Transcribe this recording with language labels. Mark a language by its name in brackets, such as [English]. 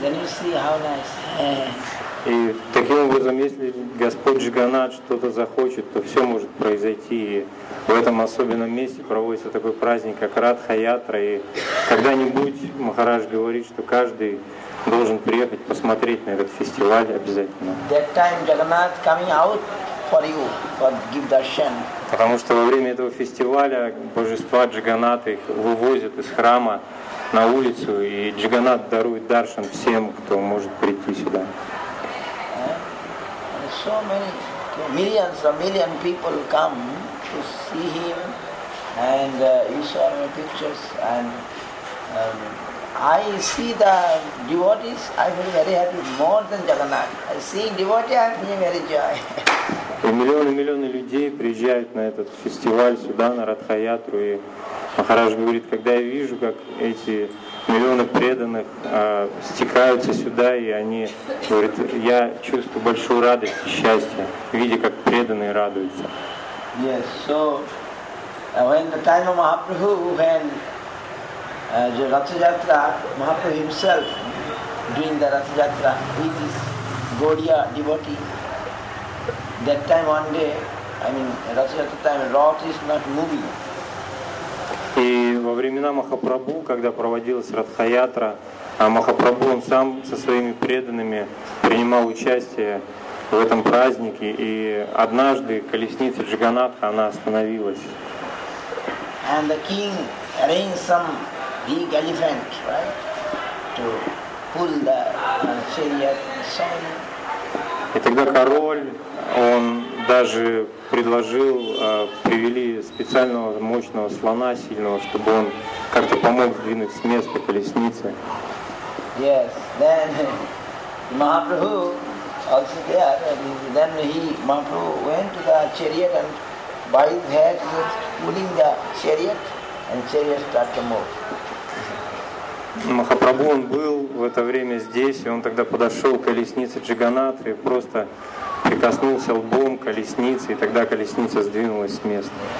[English] Then you see how nice. [Russian] И таким образом, если Господь Джаганнат что-то захочет, то все может произойти. И в этом особенном месте проводится такой праздник, как Радха-Ятра. И когда-нибудь Махарадж говорит, что каждый должен приехать посмотреть на этот фестиваль обязательно. [English] That time Jagannath coming out for you, for give darshan. [Russian] Потому что во время этого фестиваля божества Джаганнат их вывозят из храма, на улицу, и Джаганнат дарует даршан всем, кто может прийти сюда. [English] So many, millions and millions of people come to see him, and you saw my pictures, and I see the devotees, I feel very happy, more than Jagannath. I see devotees, I feel very joy. [Russian] И миллионы людей приезжают на этот фестиваль сюда, на Радха-ятру. И Махарадж говорит, когда я вижу, как эти миллионы преданных стекаются сюда, и они, говорит, я чувствую большую радость и счастье, видя, как преданные радуются. [English] Yes, so when the time of Mahaprabhu, when the Ratha-yatra, Mahaprabhu himself doing the Ratha-yatra with his Gaudiya devotee, that time one day, I mean, Ratha-yatra time, Rath is not moving. [Russian] И во времена Махапрабху, когда проводилась Радха-ятра, а Махапрабху он сам со своими преданными принимал участие в этом празднике, и однажды колесница Джаганнатха она остановилась. [English] And the king arranged some big elephant, right, to pull the chariot. [Russian] И тогда король, он даже предложил, привели специального мощного слона сильного, чтобы он как-то помог сдвинуть с места колесницы. [English] Yes, then Mahaprabhu also there, and then he Mahaprabhu went to the chariot and by his head he was pulling the chariot and chariot started to move. [Russian] Махапрабху он был в это время здесь, и он тогда подошел к колеснице Джаганнатхи и просто прикоснулся лбом к колеснице, и тогда колесница сдвинулась с места.